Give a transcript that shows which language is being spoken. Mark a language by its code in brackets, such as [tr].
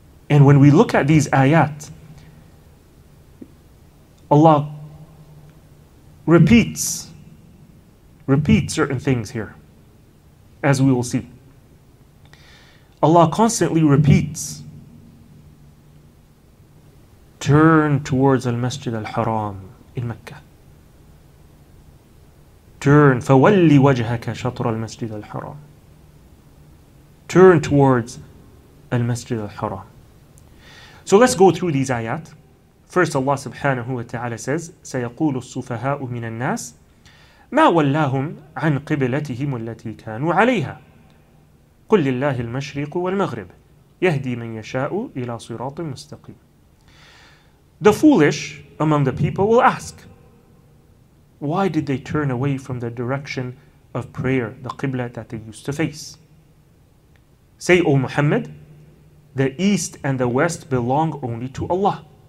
[en] And when we look at these ayat, Allah repeats certain things here, as we will see. Allah constantly repeats, turn towards Al-Masjid Al-Haram in Mecca. Turn, [ar] فَوَلِّ وَجْهَكَ شَطْرَ الْمَسْجِدِ الْحَرَامِ. [en] Turn towards Al-Masjid Al-Haram. So let's go through these ayat. First, Allah subhanahu wa ta'ala says, [ar] سَيَقُولُ السُّفَهَاءُ مِنَ النَّاسِ مَا وَلَّاهُمْ عَنْ قِبْلَتِهِمُ الَّتِي كَانُوا عَلَيْهَا قُلْ لِلَّهِ الْمَشْرِقُ وَالْمَغْرِبِ يَهْدِي مَنْ يَشَاءُ إِلَى صِرَاطٍ مُسْتَقِيمٍ. [en] The foolish among the people will ask, why did they turn away from the direction of prayer, the Qibla that they used to face? Say, O Muhammad, the east and the west belong only to Allah.